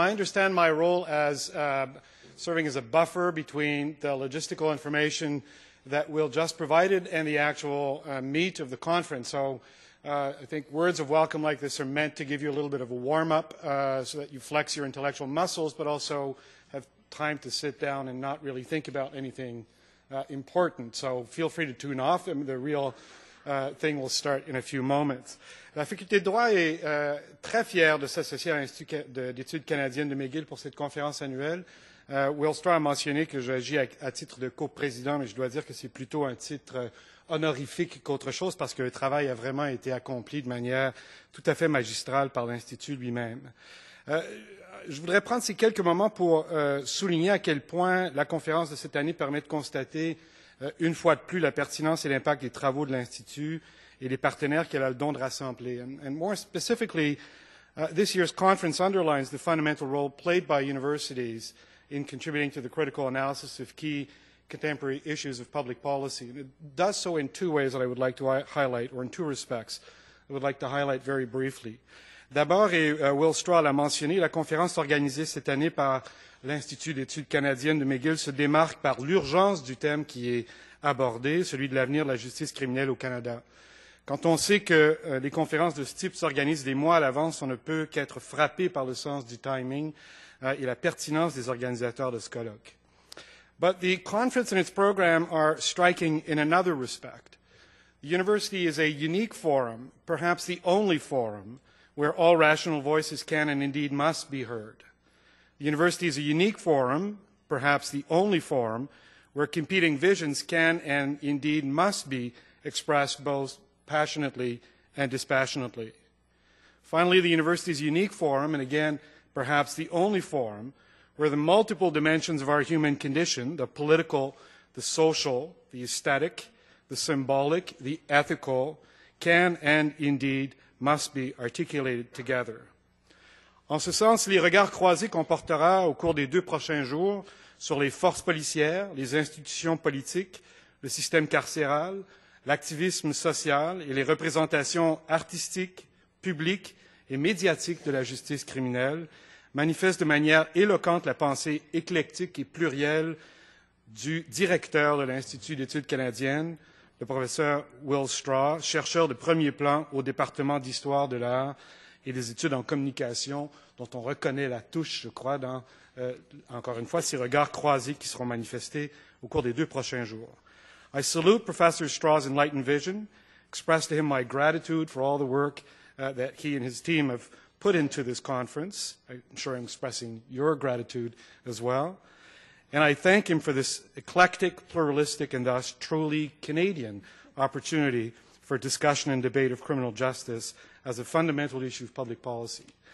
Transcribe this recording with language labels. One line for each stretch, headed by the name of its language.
English: I understand my role as serving as a buffer between the logistical information that Will just provided and the actual meat of the conference. So I think words of welcome like this are meant to give you a little bit of a warm-up so that you flex your intellectual muscles, but also have time to sit down and not really think about anything important. So feel free to tune off. I mean, the real thing will start in a few moments.
French: La faculté de droit est très fière de s'associer à l'Institut d'études canadiennes de McGill pour cette conférence annuelle. Will Strom a mentionné que j'agis à titre de co-président, mais je dois dire que c'est plutôt un titre honorifique qu'autre chose parce que le travail a vraiment été accompli de manière tout à fait magistrale par l'Institut lui-même. Je voudrais prendre ces quelques moments pour souligner à quel point la conférence de cette année permet de constater une fois de plus la pertinence et l'impact des travaux de l'Institut et les partenaires qu'elle a le don de rassembler.
English: And more specifically, this year's conference underlines the fundamental role played by universities in contributing to the critical analysis of key contemporary issues of public policy. And it does so in two ways that I would like to highlight, or in two respects I would like to highlight very briefly.
French: D'abord, et Will Straw l'a mentionné, la conférence organisée cette année par l'Institut d'études canadiennes de McGill se démarque par l'urgence du thème qui est abordé, celui de l'avenir de la justice criminelle au Canada. Quand on sait que les conférences de ce type s'organisent des mois à l'avance, on ne peut qu'être frappé par le sens du timing et la pertinence des organisateurs de ce colloque.
English: But the conference and its program are striking in another respect. The university is a unique forum, perhaps the only forum, where all rational voices can and indeed must be heard. The university is a unique forum, perhaps the only forum, where competing visions can and indeed must be expressed both passionately and dispassionately. Finally, the university is a unique forum, and again, perhaps the only forum, where the multiple dimensions of our human condition, the political, the social, the aesthetic, the symbolic, the ethical, can and indeed must be articulated together.
French: En ce sens, les regards croisés qu'on portera au cours des deux prochains jours sur les forces policières, les institutions politiques, le système carcéral, l'activisme social et les représentations artistiques, publiques et médiatiques de la justice criminelle manifestent de manière éloquente la pensée éclectique et plurielle du directeur de l'Institut d'études canadiennes, le professeur Will Straw, chercheur de premier plan au département d'histoire de l'art et des études en communication, dont on reconnaît la touche, je crois, dans, encore une fois, ces regards croisés qui seront manifestés au cours des deux prochains jours.
English: I salute Professor Straw's enlightened vision, express to him my gratitude for all the work that he and his team have put into this conference. I'm sure I'm expressing your gratitude as well. And I thank him for this eclectic, pluralistic, and thus truly Canadian opportunity for discussion and debate of criminal justice as a fundamental issue of public policy.